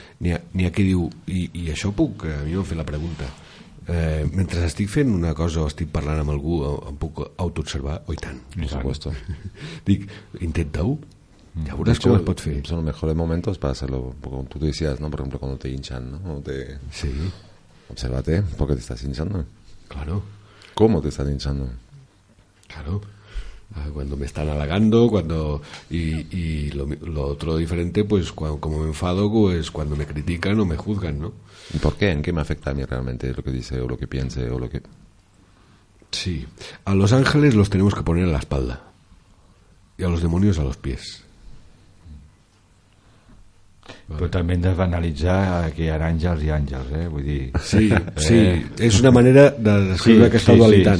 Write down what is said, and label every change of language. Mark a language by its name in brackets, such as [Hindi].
[Catalan] N'hi ha qui diu, i això puc, a mi m'ha fet la pregunta, mentre estic fent una cosa o estic parlant amb algú, em puc autoobservar? Oh, i tant. [Spanish] Exacto. [Catalan] Dic, intenta-ho, ja veuràs com es pot fer. Són els millors moments per fer-lo, com [Spanish] tu dices, [Catalan] no? Per exemple, quan te hinchan, no? Sí. [Spanish] Obsérvate, [Catalan] perquè t'estàs hinchando. [Spanish] Claro. ¿Cómo te estás hinchando? Claro. Cuando me están halagando, cuando y lo otro diferente, pues cuando, como me enfado, pues cuando me critican o me juzgan, ¿no? ¿Y por qué? ¿En qué me afecta a mí realmente lo que dice o lo que piense o lo que...? Sí, a los ángeles los tenemos que poner a la espalda y a los demonios a los pies. Vale. [Catalan] Però també hem de banalitzar que hi ha àngels i àngels, eh? Vull dir... Sí, sí, és una manera de descriure aquesta dualitat,